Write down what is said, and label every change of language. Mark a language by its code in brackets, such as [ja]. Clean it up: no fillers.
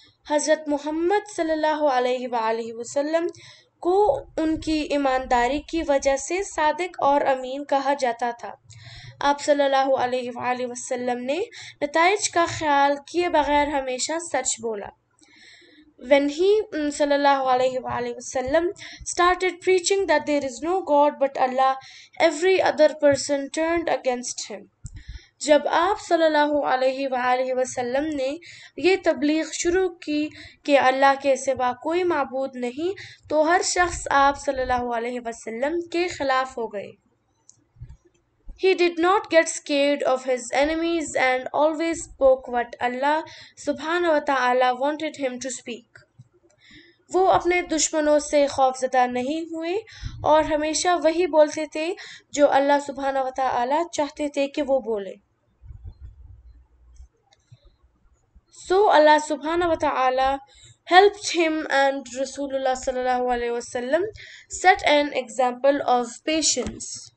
[ur] حضرت محمد صلی اللہ علیہ وآلہ وسلم کو ان کی ایمانداری کی وجہ سے صادق اور امین کہا جاتا تھا. آپ صلی اللہ علیہ وآلہ وسلم نے نتائج کا خیال کیے بغیر ہمیشہ سچ بولا. [en] When he صلی اللہ علیہ وآلہ وسلم started preaching that there is no God but Allah, every other person turned against him. [ur] جب آپ صلی اللہ علیہ وآلہ وسلم نے یہ تبلیغ شروع کی کہ اللہ کے سوا کوئی معبود نہیں, تو ہر شخص آپ صلی اللہ علیہ وسلم کے خلاف ہو گئے. [en] He did not get scared of his enemies and always spoke what Allah subhanahu wa ta'ala wanted him to speak. [ur] وہ اپنے دشمنوں سے خوف زدہ نہیں ہوئے اور ہمیشہ وہی بولتے تھے جو اللہ سبحانہ وتعالی چاہتے تھے کہ وہ بولے. [en] So اللہ سبحانہ وتعالی helped him and رسول اللہ صلی اللہ علیہ وسلم set an example of patience.